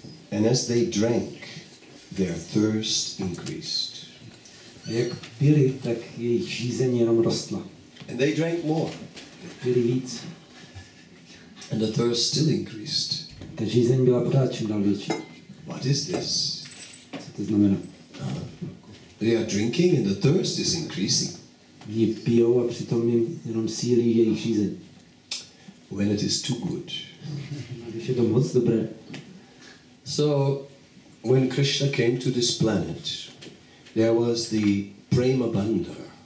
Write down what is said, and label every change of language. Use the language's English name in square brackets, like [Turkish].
[English] And as they drank, their thirst increased. [Czech] Jak pili, tak jejich žízeň jenom rostla. [English] And they drank more. [Czech] Pili víc. [English] And the thirst still increased. [Czech] Ta žízeň byla pořád čím dál větší. [English] What is this? [Czech] Co to znamená? [English] They are drinking and the thirst is increasing. [Czech] Oni pijou a přitom jim jenom sílí jejich žízeň. [English] When it is too good. [Czech] Když je to moc dobré. [English] So, when Krishna came to this planet, there was the Prema Bandhar.